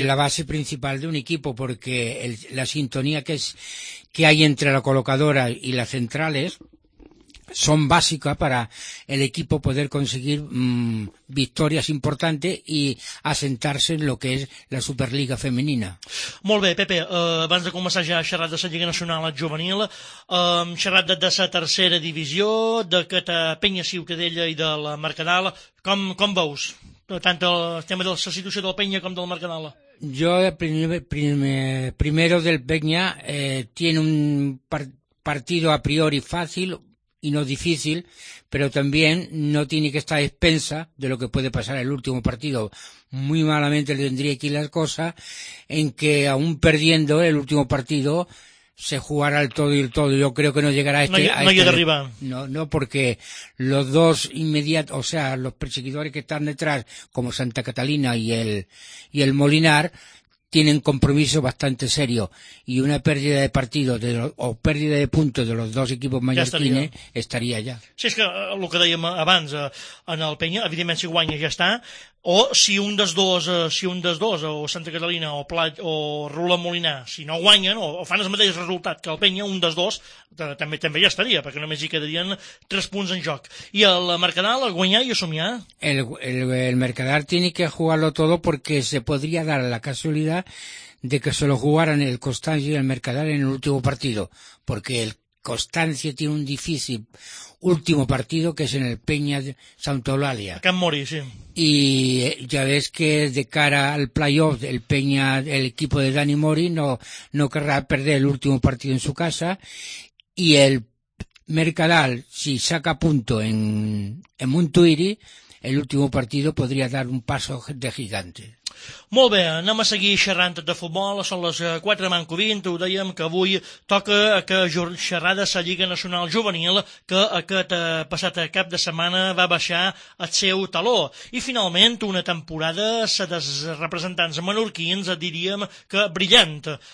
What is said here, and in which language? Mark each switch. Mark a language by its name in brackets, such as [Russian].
[Catalan] És la base principal d'un equip, perquè la sintonia que hi ha entre la col·locadora i les centrales són bàsica per a l'equip poder aconseguir victòries importants i assentar-se en el que és la Superliga femenina. Molt bé, Pepe, abans de començar ja a xerrar de la Lliga Nacional Juvenil, xerrat de la tercera divisió, d'aquesta Penya Ciutadella i del Mercadal, com veus tant el tema de la situació del Penya com del Mercadal? [Spanish] Jo, primero del Penya, tiene un partido a priori fácil y no difícil, pero también no tiene que estar a expensa de lo que puede pasar el último partido. Muy malamente le vendría aquí las cosas, en que aún perdiendo el último partido se jugará el todo y el todo. Yo creo que no llegará arriba. No, porque los dos inmediatos, o sea, los perseguidores que están detrás, como Santa Catalina y el Molinar, tienen compromiso bastante serio, y una pérdida de partido o pérdida de puntos de los dos equipos mallorquines estaría ya. [Catalan] Sí, és que el que dèiem abans, en el Penya, evidentment si guanya ja està, o si un dels dos, o Santa Catalina o Plat o Roland Molinar, si no guanyen o fan el mateix resultat que el Penya, un dels dos també ja estaria, perquè només hi quedarien 3 punts en joc. I el Mercadal, a guanyar i a somiar? [Spanish] El Mercadal tiene que jugarlo todo, porque se podría dar la casualidad de que solo jugaran el Constancia y el Mercadal en el último partido, porque el Constancia tiene un difícil último partido, que es en el Peña de Santa Eulalia. Can Mori, sí. Y ya ves que de cara al playoff, el Peña, el equipo de Dani Mori, no querrá perder el último partido en su casa. Y el Mercadal, si saca punto en Montuiri, el último partido podría dar un paso de gigante. [Catalan] Molt bé, anem a seguir xerrant de futbol, són les 4:20, ho dèiem que avui toca que xerrar de la Lliga Nacional Juvenil, que aquest passat cap de setmana va baixar el seu taló. I finalment, una temporada, la dels representants menorquins, diríem que brillant.